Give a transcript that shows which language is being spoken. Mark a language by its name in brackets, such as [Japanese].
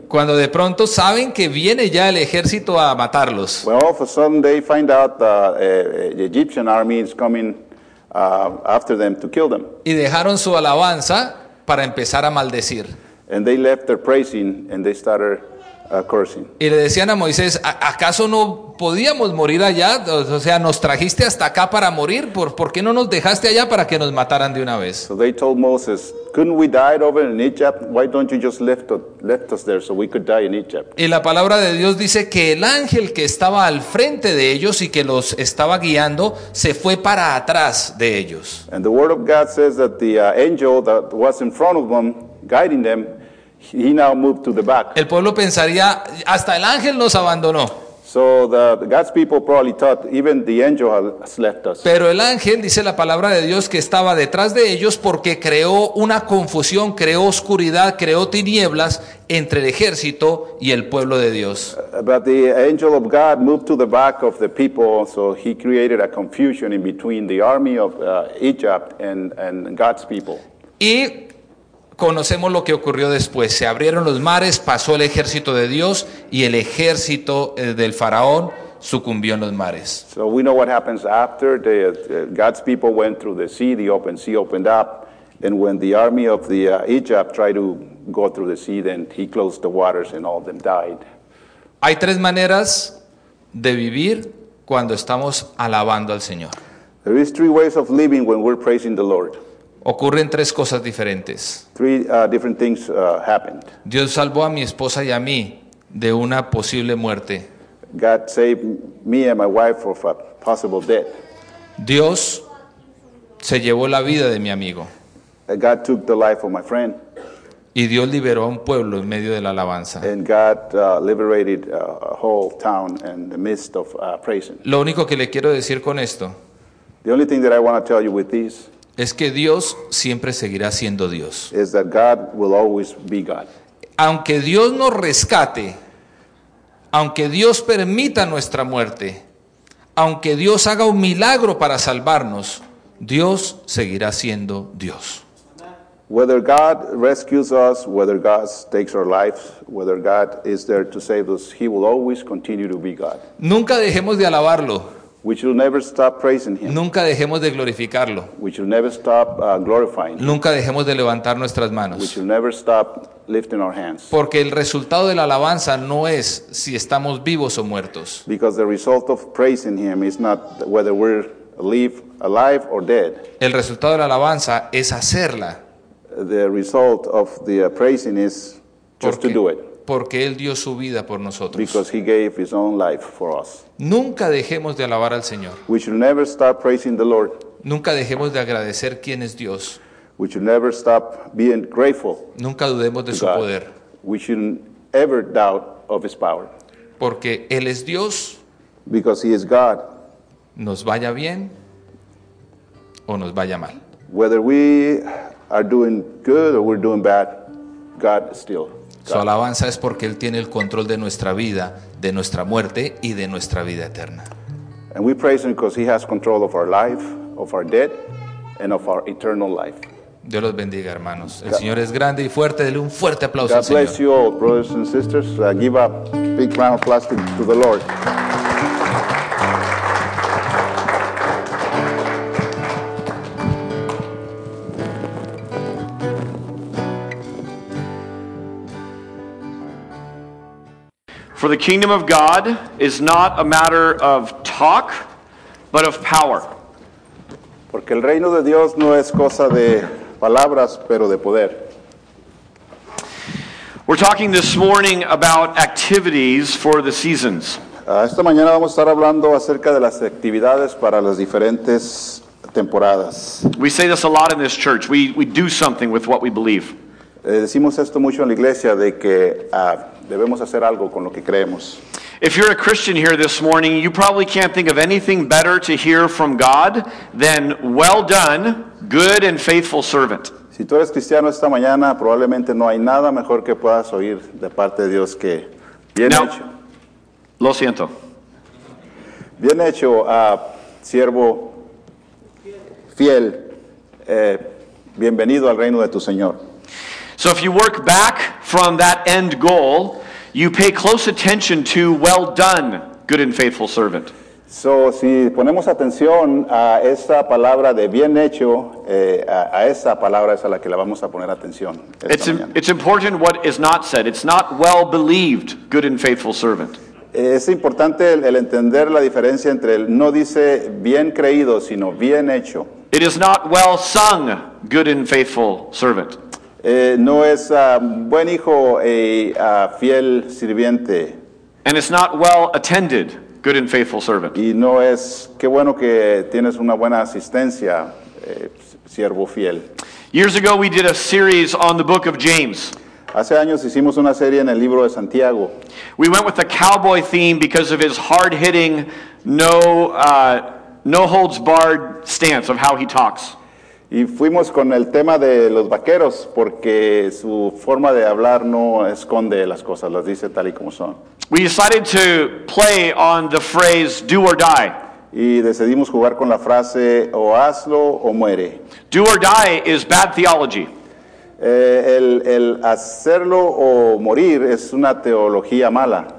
[Spanish] Cuando de pronto saben que viene ya el ejército a matarlos. [English] Well, all of a sudden they find out the Egyptian army is coming after them to kill them. [Spanish] Y dejaron su alabanza para empezar a maldecir. [English] And they left their praising and they started cursing. [Spanish] Y le decían a Moisés, ¿acaso no podíamos morir allá? O sea, nos trajiste hasta acá para morir, ¿por qué no nos dejaste allá para que nos mataran de una vez? [English] So they told Moses, couldn't we die over in Egypt? Why don't you just left us there so we could die in Egypt? [Spanish] Y la palabra de Dios dice que el ángel que estaba al frente de ellos y que los estaba guiando se fue para atrás de ellos. [English] And the word of God says that the angel that was in front of them guiding them, he now moved to the back. [Spanish] El pueblo pensaría, hasta el ángel nos abandonó. [English] So the God's people probably thought even the angel has left us. [Spanish] Pero el ángel dice la palabra de Dios que estaba detrás de ellos porque creó una confusión, creó oscuridad, creó tinieblas entre el ejército y el pueblo de Dios. [English] But the angel of God moved to the back of the people, so he created a confusion in between the army of Egypt and God's people. [Spanish] Y conocemos lo que ocurrió después. Se abrieron los mares, pasó el ejército de Dios y el ejército del faraón sucumbió en los mares. [English] So we know what happens after. God's people went through the sea, the open sea opened up, And when the army of the Egypt tried to go through the sea, then he closed the waters and all of them died. [Spanish] Hay tres maneras de vivir cuando estamos alabando al Señor. [English] There is three ways of living when we're praising the Lord. [Spanish] Ocurren tres cosas diferentes. [English] Three different things happened. [Spanish] Dios salvó a mi esposa y a mí de una posible muerte. [English] God saved me and my wife of a possible death. [Spanish] Dios se llevó la vida de mi amigo. [English] God took the life of my friend. [Spanish] Y Dios liberó a un pueblo en medio de la alabanza. [English] And God liberated a whole town in the midst of praising. [Spanish] Lo único que le quiero decir con esto. [English] The only thing that I want to tell you with this. [Spanish] Es que Dios siempre seguirá siendo Dios. [English] Is that God will always be God. [Spanish] Aunque Dios nos rescate, aunque Dios permita nuestra muerte, aunque Dios haga un milagro para salvarnos, Dios seguirá siendo Dios. [English] Whether God rescues us, whether God takes our lives, whether God is there to save us, he will always continue to be God. [Spanish] Nunca dejemos de alabarlo. [English] We should never stop praising him. [Spanish] Nunca dejemos de glorificarlo. [English] We should never stop glorifying him. [Spanish] Nunca dejemos de levantar nuestras manos. [English] We should never stop lifting our hands. [Spanish] Porque el resultado de la alabanza no es si estamos vivos o muertos. [English] Because the result of praising him is not whether we're alive or dead. [Spanish] El resultado de la alabanza es hacerla. [English] The result of the praising is just to do it. [Spanish] Porque él dio su vida por nosotros. [English] Because he gave his own life for us. [Spanish] Nunca dejemos de alabar al Señor. [English] We should never stop praising the Lord. [Spanish] Nunca dejemos de agradecer quién es Dios. [English] We should never stop being grateful. [Spanish] Nunca dudemos de su poder. [English] We shouldn't ever doubt of his power. [Spanish] Porque él es Dios. [English] Because he is God. [Spanish] Nos vaya bien o nos vaya mal. [English] Whether we are doing good or we're doing bad, God still. [Spanish] Su alabanza es porque él tiene el control de nuestra vida, de nuestra muerte y de nuestra vida eterna. [English] And we praise him because he has control of our life, of our death, and of our eternal life. [Spanish] Dios los bendiga, hermanos. El Señor es grande y fuerte. Dele un fuerte aplauso [English] God [Spanish] al Señor. [English] God bless you all, brothers and sisters. Give a big round of applause to the Lord. For the kingdom of God is not a matter of talk, but of power. [Spanish] Porque el reino de Dios no es cosa de palabras, pero de poder. [English] We're talking this morning about activities for the seasons. [Spanish] Esta mañana vamos a estar hablando acerca de las actividades para las diferentes temporadas. [English] We say this a lot in this church. We do something with what we believe. [Spanish] Decimos esto mucho en la iglesia de que debemos hacer algo con lo que creemos. [English] If you're a Christian here this morning, you probably can't think of anything better to hear from God than "Well done, good and faithful servant." [Spanish] Si tú eres cristiano esta mañana, probablemente no hay nada mejor que puedas oír de parte de Dios que bien [English] now, [Spanish] hecho. Lo siento. Bien hecho, siervo fiel. Bienvenido al reino de tu Señor. [English] So if you work back from that end goal, you pay close attention to "Well done, good and faithful servant." [Spanish] So, si ponemos atención a esa palabra de bien hecho, a esa palabra es a la que la vamos a poner atención. [English] It's important what is not said. It's not "well believed, good and faithful servant." [Spanish] Es importante el entender la diferencia entre el no dice bien creído, sino bien hecho. [English] It is not "well sung, good and faithful servant." [Spanish] No es buen hijo fiel sirviente. [English] And it's not "well attended, good and faithful servant." [Spanish] Y no es qué bueno que tienes una buena asistencia, siervo fiel. [English] Years ago we did a series on the book of James. [Spanish] Hace años hicimos una serie en el libro de Santiago. [English] We went with the cowboy theme because of his hard-hitting, no holds barred stance of how he talks. [Spanish] Y fuimos con el tema de los vaqueros porque su forma de hablar no esconde las cosas, las dice tal y como son. [English] We decided to play on the phrase "do or die." [Spanish] Y decidimos jugar con la frase "o hazlo o muere." [English] Do or die is bad theology. [Spanish] El hacerlo o morir es una teología mala.